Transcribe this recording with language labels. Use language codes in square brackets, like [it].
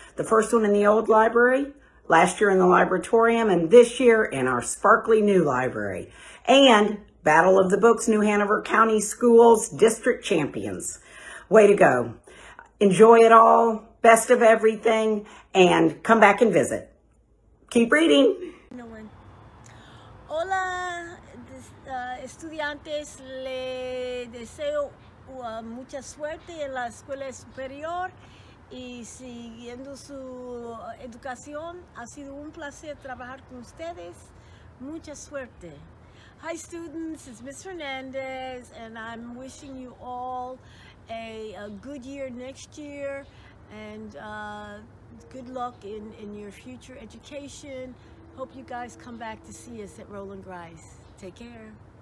[en] The first one in the old library, last year in the Libratorium, and this year in our sparkly new library. And Battle of the Books, New Hanover County Schools District Champions. Way to go. Enjoy it all, best of everything, and come back and visit. Keep reading. No one. [es] Hola, estudiantes, le deseo mucha suerte en la escuela superior. Y siguiendo su educación, ha sido un placer trabajar con ustedes. Mucha suerte. [en] Hi students, it's Ms. Fernandez, and I'm wishing you all a good year next year, and good luck in your future education. Hope you guys come back to see us at Roland Rice. Take care.